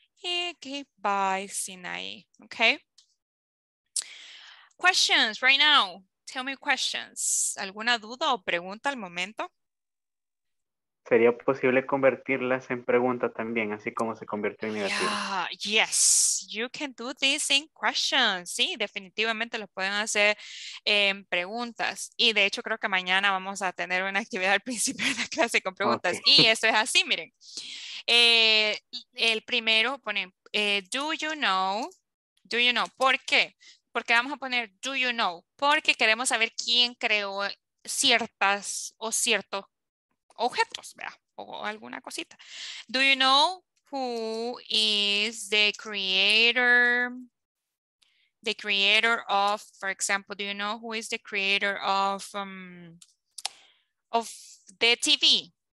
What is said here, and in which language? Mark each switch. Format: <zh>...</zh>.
<es>Y aquí</es> <en>by Sinai. Okay. Questions right now. Tell me questions.</en> <es>¿Alguna duda o pregunta al momento? ¿Sería posible convertirlas en pregunta también, así como se convirtió en negativo?</es> <en>Yeah, yes, you can do this in questions.</en> <es>Sí, definitivamente lo pueden hacer en preguntas. Y de hecho creo que mañana vamos a tener una actividad al principio de la clase con preguntas. Okay. Y eso es así, miren. El primero pone,</es> <en>do you know? Do you know?</en> <es>¿Por qué? Porque vamos a poner</es> <en>do you know.</en> <es>Porque queremos saber quién creó ciertas o ciertos objetos, ¿verdad? O alguna cosita.</es> <en>Do you know who is the creator of, for example, do you know who is the creator of the TV?</en>